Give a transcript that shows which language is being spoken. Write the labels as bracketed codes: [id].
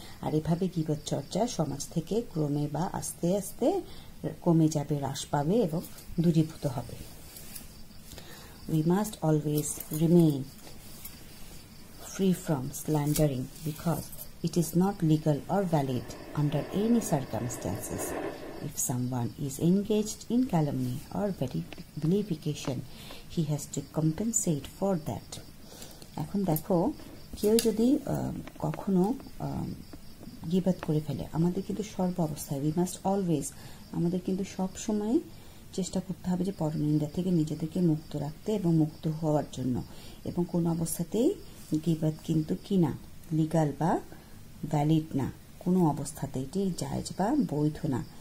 [bn] আর এভাবে গীবত চর্চা সমাজ থেকে ক্রমে বা আস্তে আস্তে কমে যাবে, হ্রাস পাবে এবং দূরীভূত হবে। [en] We must always remain free from slandering because it is not legal or valid under any circumstances. If someone is engaged in calumny or vilification, he has to compensate for that. [bn] এখন দেখো, কেউ যদি কখনো গীবত করে ফেলে, আমাদের কিন্তু সর্ব অবস্থায় [en] we must always, [bn] আমাদের কিন্তু সবসময় চেষ্টা করতে হবে যে পরনিন্দা থেকে নিজেদেরকে মুক্ত রাখতে এবং মুক্ত হওয়ার জন্য। এবং কোনো অবস্থাতেই গীবত কিন্তু কি না, লিগাল বা ভ্যালিড না, কোনো অবস্থাতে এটি জায়েজ বা বৈধ না।